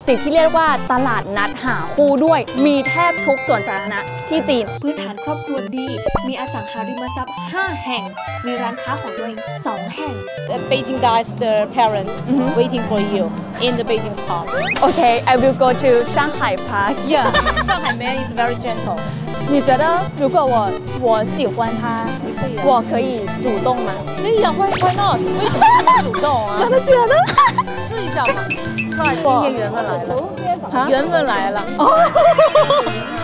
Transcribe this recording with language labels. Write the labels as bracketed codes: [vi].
[th] ติดที่เรียกว่าตลาดนัดหาคู่ด้วยมีแทบทุกสวนสาธารณะที่จีน พื้นฐานครอบครัวดีมีอสังหาริมทรัพย์5แห่งมีร้านค้าของตัวเอง2แห่ง [en] The Beijing guys the parents waiting for you in the Beijing's park Okay I will go to Shanghai Park Yeah Shanghai man is very gentle [zh] 你觉得如果我喜欢他，我可以主动吗？可以啊 ， [en] Why not？ [zh] 为什么不能主动啊？真的假的？试一下嘛，算了，今天缘分来了，缘分来了。